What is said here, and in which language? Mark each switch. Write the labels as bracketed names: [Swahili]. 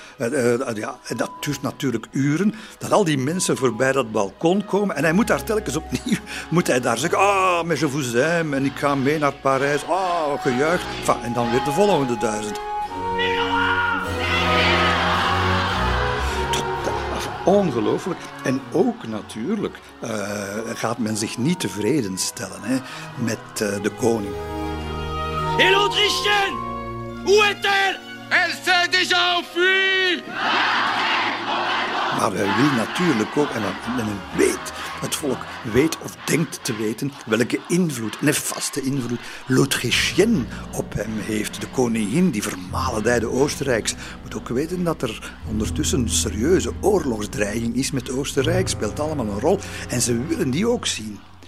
[Dutch] En dat duurt natuurlijk uren, dat al die mensen voorbij dat balkon komen en hij moet daar telkens opnieuw, moet hij daar zeggen, ah, [French] mais je vous aime [Dutch] en ik ga mee naar Parijs, ah, gejuich. Enfin, en dan weer de volgende duizend. Ongelooflijk. En ook natuurlijk gaat men zich niet tevreden stellen, hè, met de koning. [French] Et l'Autrichienne, où est-elle? Elle s'est déjà enfuie. [Dutch] Maar hij wil natuurlijk ook, en men weet, het volk weet of denkt te weten welke invloed, nefaste invloed, L'Autrichienne op hem heeft. De koningin, die vermaledijde Oostenrijkse, moet ook weten dat er ondertussen een serieuze oorlogsdreiging is met Oostenrijk, speelt allemaal een rol en ze willen die ook zien.